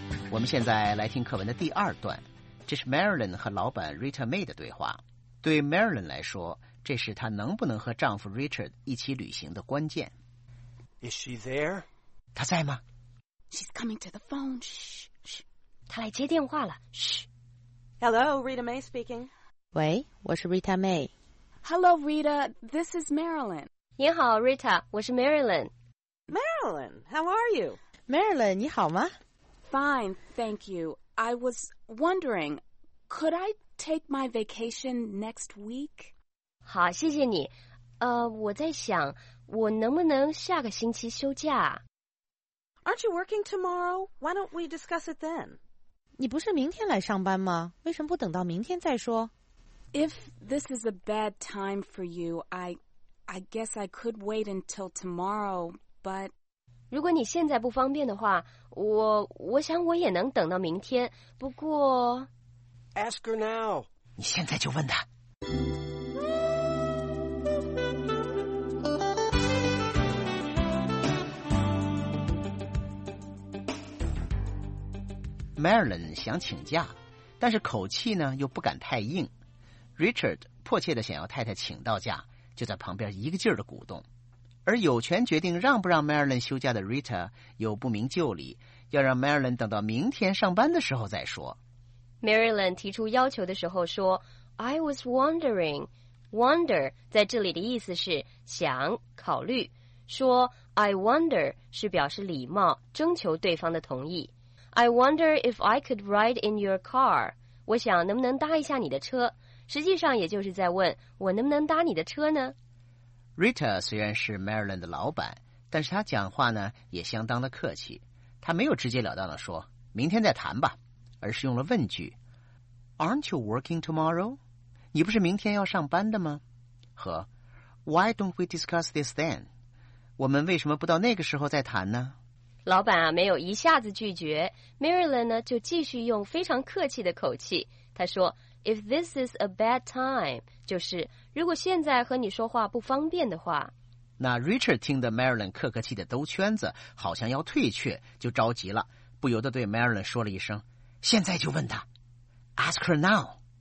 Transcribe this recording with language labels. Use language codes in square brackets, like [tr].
[zh] 我们现在来听课文的第二段，这是 Marilyn 和老板 Rita May 的对话。对 Marilyn 来说，这是她能不能和丈夫 Richard 一起旅行的关键。 [en] Is she there? [zh] 她在吗？ [en] She's coming to the phone. Shh, shh. [zh] 她来接电话了。Shh. [en] Hello, Rita May speaking. [zh] 喂，我是 Rita May. [en] Hello, Rita. This is Marilyn. [zh] 你好 ，Rita， 我是 Marilyn。 [en] Marilyn, how are you? [zh] Marilyn, 你好吗？ [en] Fine, thank you. I was wondering, could I take my vacation next week? [zh] 好，谢谢你。我在想，我能不能下个星期休假？ [en] Aren't you working tomorrow? Why don't we discuss it then? [zh] 你不是明天来上班吗？为什么不等到明天再说？ [en] If this is a bad time for you, I guess I could wait until tomorrow, but... [zh] 如果你现在不方便的话，我想我也能等到明天，不过 [en] Ask her now. [zh] 你现在就问她。 Marilyn 想请假，但是口气呢又不敢太硬。 Richard 迫切地想要太太请到假，就在旁边一个劲儿的鼓动，而有权决定让不让 Marilyn 休假的 Rita 又不明就里，要让 Marilyn 等到明天上班的时候再说。 Marilyn 提出要求的时候说 [en] I was wondering. [zh] Wonder 在这里的意思是想考虑，说 [en] I wonder [zh] 是表示礼貌，征求对方的同意。 [en] I wonder if I could ride in your car. [zh] 我想能不能搭一下你的车，实际上也就是在问我能不能搭你的车呢。 Rita 虽然是 Marilyn 的老板，但是她讲话呢也相当的客气，她没有直截了当的说明天再谈吧，而是用了问句 [en] Aren't you working tomorrow? [zh] 你不是明天要上班的吗？ [en] 和 Why don't we discuss this then? [zh] 我们为什么不到那个时候再谈呢？老板啊没有一下子拒绝， Marilyn 呢就继续用非常客气的口气，她说 [en] If this is a bad time, [zh] 就是如果现在和你说话不方便的话。那 Richard 听得 Marilyn 客客气的兜圈子，好像要退却，就着急了，不由得对 Marilyn 说了一声，现在就问他 , [en] Ask her now.